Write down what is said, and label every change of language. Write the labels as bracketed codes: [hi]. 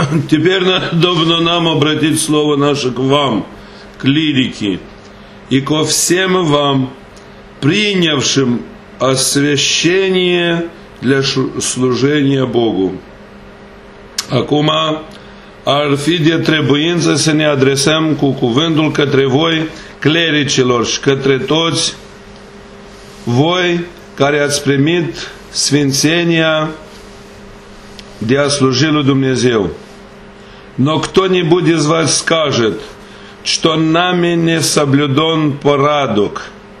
[ru] Теперь надобно нам обратить слово наше к вам, клирики, и ко всем вам, принявшим освящение для служения Богу. [ro] Acum ar fi de trebuință să ne adresăm cu cuvântul către voi, clericilor, și către toți voi care ați primit sfințenia de a sluji lui Dumnezeu. [ru] Но кто-нибудь из вас скажет, что нами не соблюдон порядок.